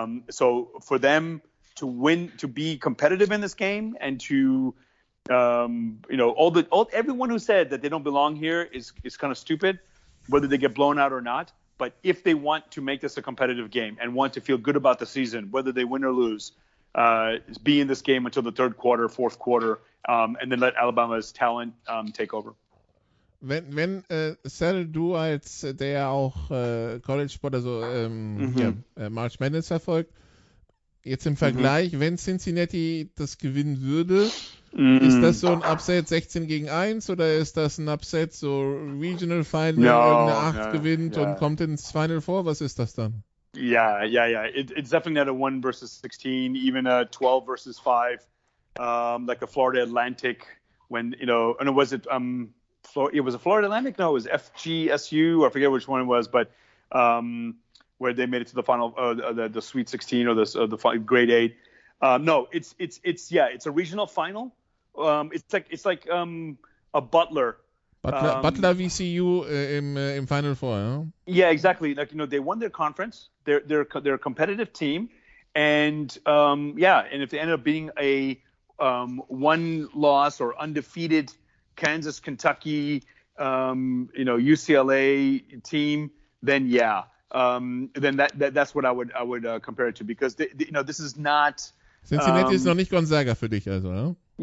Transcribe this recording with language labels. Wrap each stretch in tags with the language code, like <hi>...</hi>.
<en>So for them to win, to be competitive in this game, and to everyone who said that they don't belong here is kind of stupid, whether they get blown out or not. But if they want to make this a competitive game and want to feel good about the season, whether they win or lose, be in this game until the third quarter, fourth quarter, and then let Alabama's talent take over.</en> <de>Wenn Sal, du als der auch College Sport, also March Madness verfolgt, jetzt im Vergleich, wenn Cincinnati das gewinnen würde, ist das so ein Upset 16-1, oder ist das ein Upset so Regional Final, irgendeine 8 gewinnt und kommt ins Final Four? Was ist das dann?</de> <en>It's definitely not a 1-16, even a 12-5, like a Florida Atlantic was it Florida Atlantic? No, it was FGSU, I forget which one it was, but where they made it to the final, the Sweet 16 or the Grade 8. It's a regional final. It's like a Butler VCU in Final Four. Huh? Yeah, exactly. Like, you know, they won their conference. They're a competitive team, and and if they ended up being a one loss or undefeated Kansas, Kentucky, UCLA team, then then that's what I would compare it to, because this is not</en> <de>Cincinnati is noch nicht Gonzaga für dich also, huh?</de>